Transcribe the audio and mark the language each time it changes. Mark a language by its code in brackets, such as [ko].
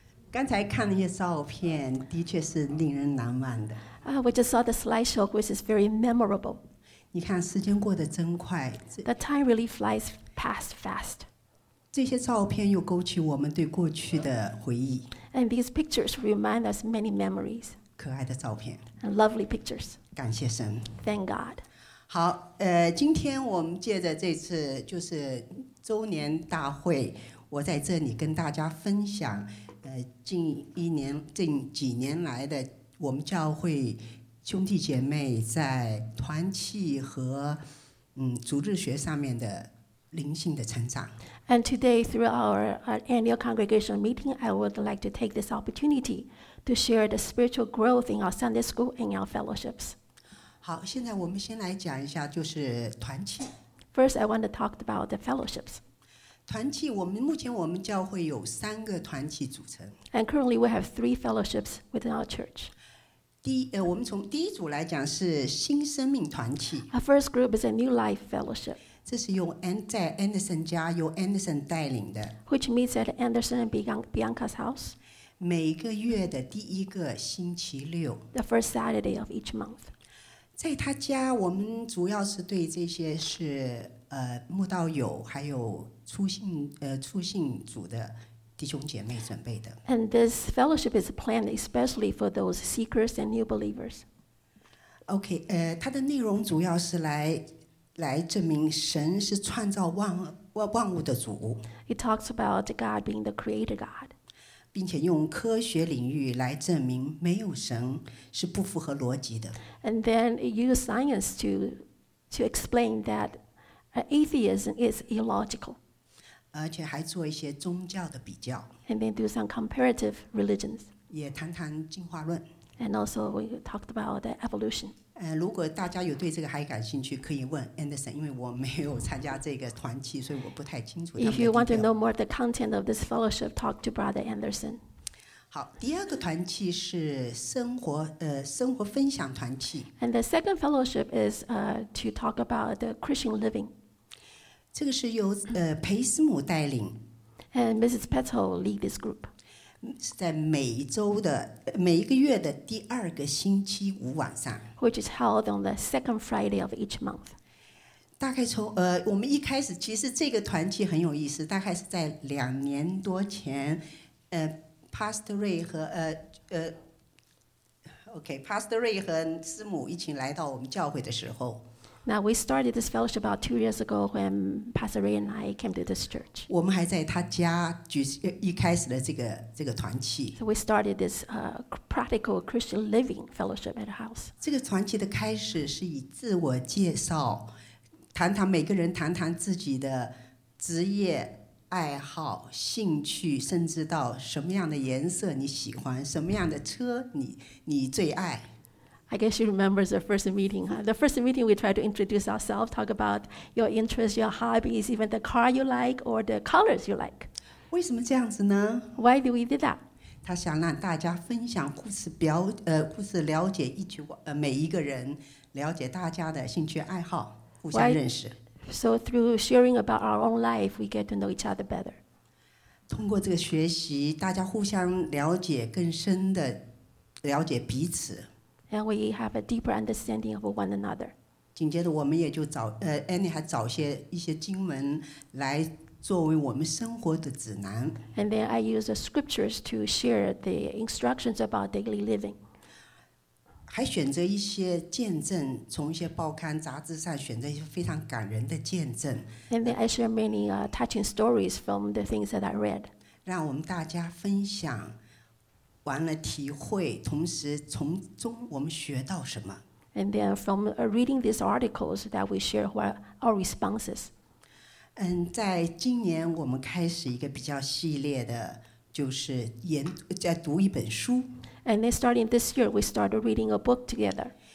[zh] 刚才看了一些照片，的确是令人难忘的。 [en] We just saw the slideshow, which is very memorable. [zh] 你看，时间过得真快。 [en] The time really flies past fast. [zh] 这些照片又勾起我们对过去的回忆。 [en] And these pictures remind us many memories. [zh] 可爱的照片。 [en] And lovely pictures. [zh] 感谢神。 [en] Thank God. [zh] 好，今天我们借着这次就是周年大会，我在这里跟大家分享，近几年来的我们教会兄弟姐妹在团契和组织学上面的灵性的成长。 [en] And today, through our annual congregational meeting, I would like to take this opportunity to share the spiritual growth in our Sunday school and our fellowships. [zh] 好，现在我们先来讲一下就是团契。 [en] First, I want to talk about the fellowships. [zh] 团契，目前我们教会有三个团契组成。 [en] And currently, we have three fellowships within our church. [zh] 我们从第一组来讲是新生命团契。 [en] Our first group is a New Life Fellowship. [zh] 这是在 Anderson 家，由 Anderson 带领的。 [en] Which meets at Anderson and Bianca's house. [zh] 每个月的第一个星期六。 [en] The first Saturday of each month. [zh] 在他家，我们主要是对这些是慕道友，还有初信组的弟兄姐妹准备的。 [en] And this fellowship is planned especially for those seekers and new believers. [zh] Okay, 它的内容主要是来证明神是创造万物的主。 [en] It talks about God being the creator God. [zh] 并且用科学领域来证明没有神是不符合逻辑的。 [en] And then use science to explain that atheism is illogical. [zh] 而且还做一些宗教的比较。 [en] And then do some comparative religions. [zh] 也谈谈进化论。 [en] And also we talked about the evolution. [zh] 如果大家有对这个还感兴趣，可以问 Anderson， 因为我没有参加这个团契，所以我不太清楚他们的。 [en] If you want to know more of the content of this fellowship, talk to Brother Anderson. [zh] 好，第二个团契是生活分享团契。 [en] And the second fellowship is to talk about the Christian living. [zh] 这个是由裴斯姆带领。 [en] And Mrs. Petal lead this group. [zh] 是在每一个月的第二个星期五晚上 [en] ，which is held on the second Friday of each month。 [zh] 大概从我们一开始，其实这个团契很有意思。大概是在两年多前，Pastor Ray 和Pastor Ray 和师母一起来到我们教会的时候。 [en] Now we started this fellowship about 2 years ago when Pastor Ray and I came to this church. [zh] 我们还在他家举一开始的这个团契。 [en] So we started this practical Christian living fellowship at a house. [zh] 这个团契的开始是以自我介绍，谈谈每个人谈谈自己的职业、爱好、兴趣，甚至到什么样的颜色你喜欢，什么样的车你最爱。 [en] I guess you remember the first meeting, huh? The first meeting we tried to introduce ourselves, talk about your interests, your hobbies, even the car you like or the colors you like. [zh] 为什么这样子呢? [en] Why do we do that? [zh] 他想让大家分享故事表故事了解一起每一个人了解大家的兴趣爱好互相认识。 [en] So through sharing about our own life, we get to know each other better. [zh] 通过这个学习大家互相了解更深的了解彼此。 [en] And we have a deeper understanding of one another. [zh] 紧接着我们也就找Annie 还找一些经文来作为我们生活的指南。 [en] And then I use the scriptures to share the instructions about daily living. [zh] 还选择一些见证，从一些报刊杂志上选择一些非常感人的见证。 [en] And then I share many touching stories from the things that I read. [zh] 让我们大家分享。完了体会，同时从中我们学到什么。 [en] And then from reading these articles that we share what our responses. [zh] 在今年我们开始一个比较系列的，就是在读一本书。 [en] And then starting this year, we started reading a book together.